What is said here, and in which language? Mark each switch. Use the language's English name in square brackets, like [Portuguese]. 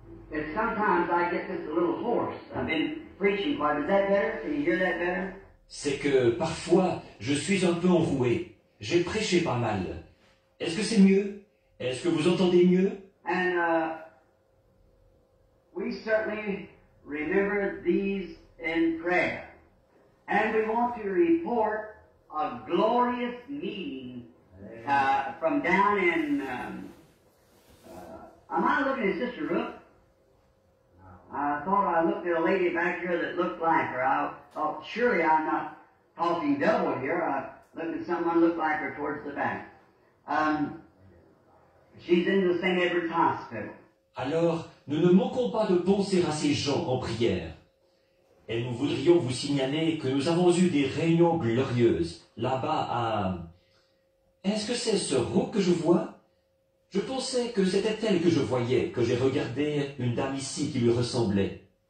[English] And sometimes I get this a little hoarse. I've been preaching quite. Is that better? Can you hear that better? [French] C'est que parfois, je suis un peu enroué. J'ai prêché pas mal. Est-ce que c'est mieux? Est-ce que vous entendez mieux? [English] And we certainly remember these in prayer. And we want to report a glorious meeting from down in... am I looking at Sister Rook? I thought I looked at a lady back here that looked like her. I thought, surely I'm not talking double here. I looked at someone who looked like her towards the back. She's in the St. Edward's Hospital. [French] Alors, nous ne manquons pas de penser à ces gens en prière. Et nous voudrions vous signaler que nous avons eu des réunions glorieuses là-bas à... Est-ce que c'est ce Rook que je vois? Je pensais que c'était elle que je voyais, que j'ai regardé une dame ici qui lui ressemblait.